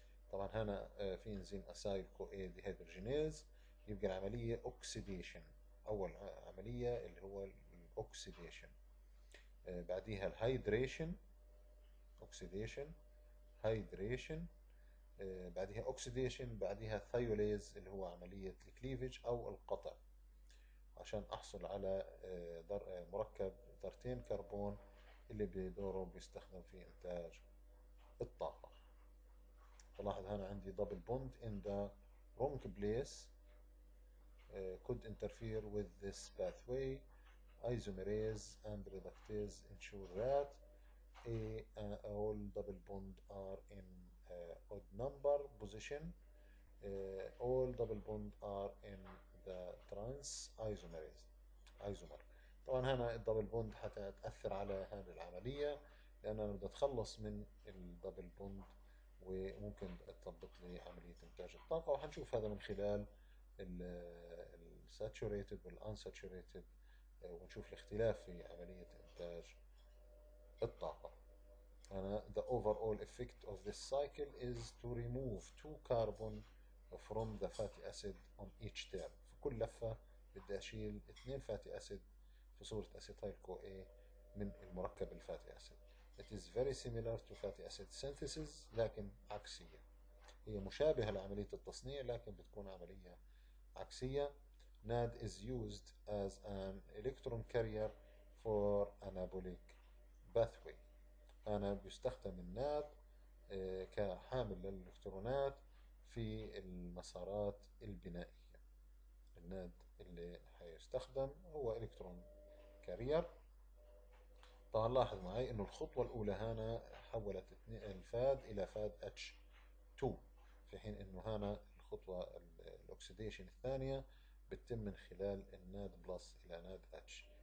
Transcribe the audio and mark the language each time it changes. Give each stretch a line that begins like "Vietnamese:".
Arabic: طبعا هنا في انزيم اسايل كو اي ديهيدروجينيز، يبقى العمليه اوكسيديشن أول عملية اللي هو الأوكسيديشن، بعديها الهايدريشن، أوكسيديشن هايدريشن، بعديها أوكسيديشن، بعديها ثيوليز اللي هو عملية الكليفج أو القطع عشان أحصل على مركب ذرتين كربون اللي بدوره بيستخدم في إنتاج الطاقة. فلاحظ هنا عندي
English: double bond in the wrong place could interfere with this pathway. Isomerase and reductase ensure that A, all double bond are in odd number position. All double bond are in the trans isomerase. Isomer.
Arabic: طبعا هنا الدبل بوند حتأثر على هذه العملية لأن أنا بدي أتخلص من الدبل بوند وممكن تطبق لي عملية إنتاج الطاقة وحنشوف هذا من خلال الـ saturated والـ unsaturated ونشوف الاختلاف في عملية إنتاج الطاقة.
English: أنا the overall effect of this cycle is to remove two carbon from the fatty acid on each term.
Arabic: في كل لفة بدي أشيل اثنين fatty acid في صورة acetyl CoA من المركب الفاتي أسيد.
English: It is very similar to fatty acid synthesis
Arabic: لكن عكسية. هي مشابهة لعملية التصنيع لكن بتكون عملية عكسية.
English: NAD is used as an electron carrier for anabolic pathway.
Arabic: أنا بيستخدم الناد كحامل للإلكترونات في المسارات البنائية. الناد اللي هيستخدم هو إلكترون كارير. طبعا لاحظ معي انه الخطوة الاولى هنا حولت الفاد الى فاد اتش 2 في حين انه هنا الخطوة الاكسيديشن الثانية بتتم من خلال الناد بلس الى ناد اتش.